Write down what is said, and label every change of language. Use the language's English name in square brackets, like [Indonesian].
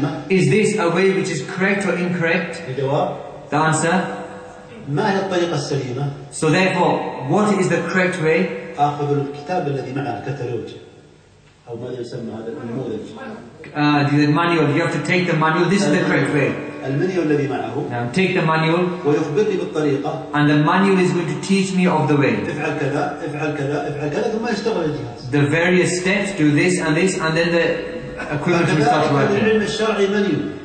[English] Is this a way which is correct or incorrect? The answer? [Arabic] ما هي الطريقة السليمة؟ [English] So therefore, what is the correct way? [Arabic] أخذ الكتاب الذي معه كتالوج أو ماذا يسمى هذا النموذج؟ [English] The manual. You have to take the manual. This is the correct way. [Arabic] المانيول الذي معه. [English] Take the manual. [Arabic] ويخبرني بالطريقة. [English] And the manual is going to teach me of the way. [Arabic] افعل كذا، افعل كذا، افعل كذا، ثم يشتغل الجهاز. [English] The various steps. Do this and this, and then the equipment will start working.